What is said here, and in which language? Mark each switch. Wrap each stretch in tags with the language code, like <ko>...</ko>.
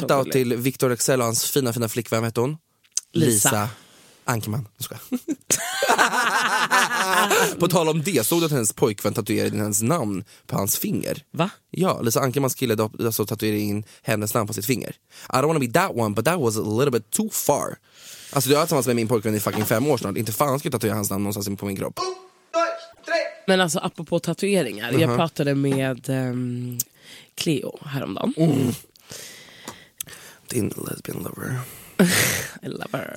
<sv>Shoutout till Victor Leksell och hans fina, fina flickvän. Vem heter hon? Lisa Ankerman, nu ska jag. På tal om det, såg du att hennes pojkvän tatuerade in hennes namn på hans finger? Va? Ja, Lisa Ankermans kille alltså, tatuerade in hennes namn på sitt finger.</sv> <en>I don't wanna be that one, but that was a little bit too far.</en> <sv>Alltså du har tillsammans med min pojkvän i fucking 5 år snart. Inte fan ska jag tatuera hans namn någonstans på min kropp. Men alltså apropå tatueringar, jag pratade med Cleo häromdagen. Din</sv> <en>lesbian lover. I love her.</en>